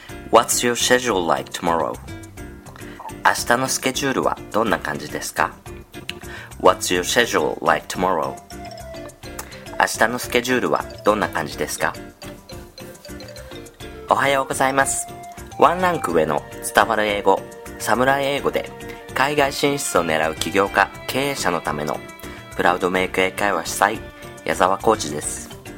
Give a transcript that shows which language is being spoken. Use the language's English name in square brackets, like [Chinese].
[English] What's your schedule like tomorrow? [Japanese] 明日のスケジュールはどんな感じですか? [English] What's your schedule like tomorrow? [Japanese] 明日のスケジュールはどんな感じですか? おはようございます。ワンランク上の伝わる英語、サムライ英語で海外進出を狙う起業家、経営者のためのプラウドメイク英会話主催、矢沢コーチです。